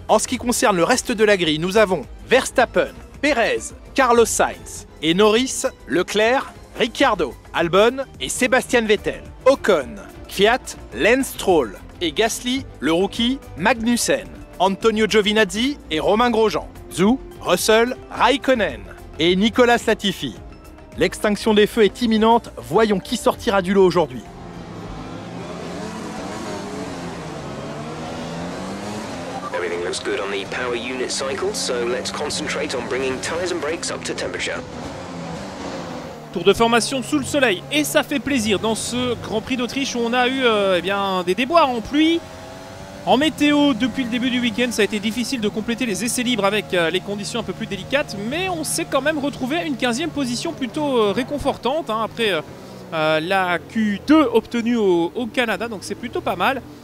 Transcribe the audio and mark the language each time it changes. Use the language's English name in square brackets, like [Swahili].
[French] En ce qui concerne le reste de la grille, nous avons Verstappen, Perez, Carlos Sainz et Norris, Leclerc, Ricciardo, Albon et Sébastien Vettel, Ocon, Kvyat, Lance Stroll et Gasly, le rookie, Magnussen, Antonio Giovinazzi et Romain Grosjean, Zhou, Russell, Raikkonen et Nicolas Latifi. L'extinction des feux est imminente, voyons qui sortira du lot aujourd'hui. [English] Everything looks good on the power unit cycle, so let's concentrate on bringing tires and brakes up to temperature. [French] Tour de formation sous le soleil et ça fait plaisir dans ce Grand Prix d'Autriche où on a eu des déboires en pluie. En météo, depuis le début du week-end, ça a été difficile de compléter les essais libres avec les conditions un peu plus délicates, mais on s'est quand même retrouvé à une 15e position plutôt réconfortante hein, après la Q2 obtenue au Canada, donc c'est plutôt pas mal.